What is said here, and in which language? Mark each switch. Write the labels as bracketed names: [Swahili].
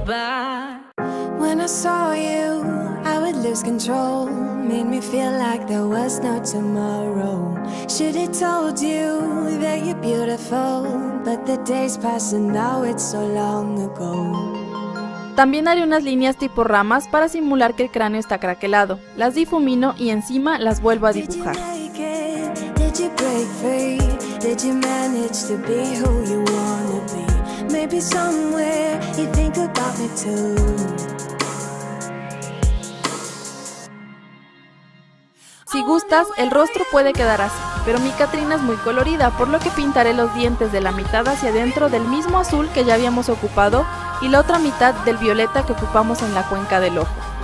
[English] When I saw you, I would lose control. Made me feel like there was no tomorrow. Should have told you that you're beautiful, but the days pass and now it's so long ago. [Spanish] También haré unas líneas tipo ramas para simular que el cráneo está craquelado. Las difumino y encima las vuelvo a dibujar. [English] Did you break free? Did you manage to be who you wanna be? Maybe somewhere you think about me too. [Spanish] Si gustas, el rostro puede quedar así, pero mi Catrina es muy colorida, por lo que pintaré los dientes de la mitad hacia adentro del mismo azul que ya habíamos ocupado y la otra mitad del violeta que ocupamos en la cuenca del ojo.